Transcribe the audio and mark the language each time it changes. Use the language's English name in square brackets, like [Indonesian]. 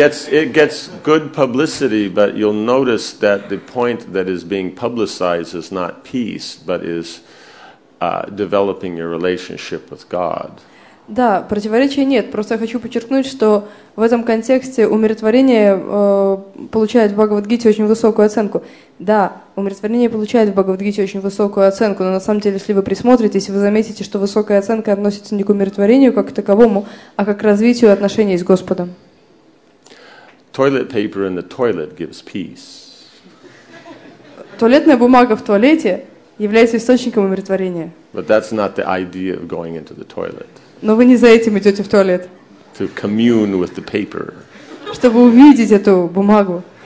[English] It gets good publicity, but you'll notice that the point that is being publicized is not peace, but is developing your relationship with God. [Russian] Да, противоречия нет. Просто я хочу подчеркнуть, что в этом контексте умиротворение получает в Бхагавадгите очень высокую оценку. Да, умиротворение получает в Бхагавадгите очень высокую оценку, но на самом деле, если вы присмотритесь, вы заметите, что высокая оценка относится не к умиротворению как к таковому, а как к развитию отношений с Господом. [English] Toilet paper in the toilet gives peace. [Russian] Туалетная бумага в туалете является источником умиротворения. [English] But that's not the idea of going into the toilet. [Russian] Но вы не за этим идете в туалет. [English] To commune with the paper. [Russian] Чтобы увидеть эту бумагу.